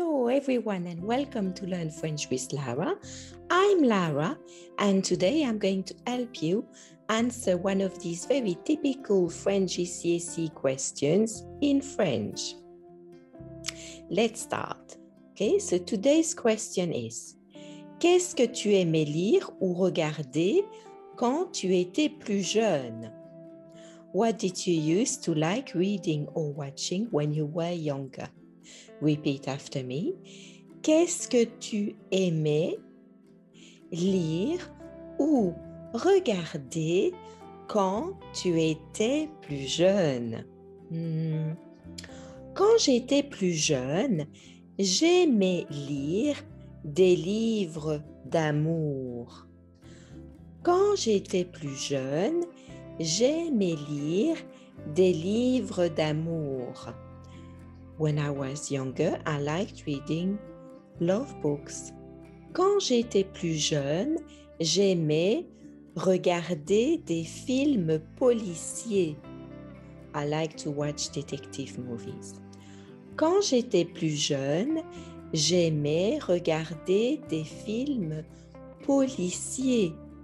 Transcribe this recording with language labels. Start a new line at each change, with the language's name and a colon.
English: everyone, and welcome to Learn French with Lara. I'm Lara, and today I'm going to help you answer one of these very typical French GCSE questions in French. Let's start. Okay, so today's question is,
French: qu'est-ce que tu aimais lire ou regarder quand tu étais plus jeune?
English: What did you used to like reading or watching when you were younger? Repeat after me.
French: Qu'est-ce que tu aimais lire ou regarder quand tu étais plus jeune? Quand j'étais plus jeune, j'aimais lire des livres d'amour. Quand j'étais plus jeune, j'aimais lire des livres d'amour.
English: When I was younger, I liked reading love books.
French: Quand j'étais plus jeune, j'aimais regarder des films policiers.
English: I liked to watch detective movies.
French: Quand j'étais plus jeune, j'aimais regarder des films policiers.